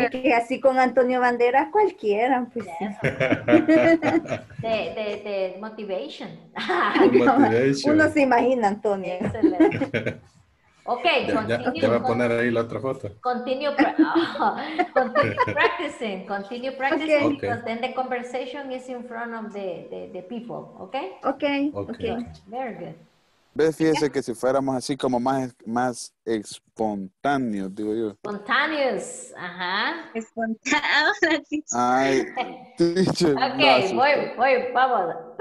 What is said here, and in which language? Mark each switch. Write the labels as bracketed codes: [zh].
[es] Es que así con Antonio Banderas cualquiera, pues. [en] Yeah. [es] De motivation. [en] Motivation. [es] Uno se imagina, Antonio. [en] Okay. Continue. [es] Te voy a poner ahí la otra foto. [en] Continue practicing. Okay. Because then the conversation is in front of the people. Okay. Okay. Okay. Very good. [es] ¿Ves? Fíjese que si fuéramos así como más espontáneos, digo yo. Espontáneos, ajá. Espontáneos. Ay, teacher. Ok, voy, vamos.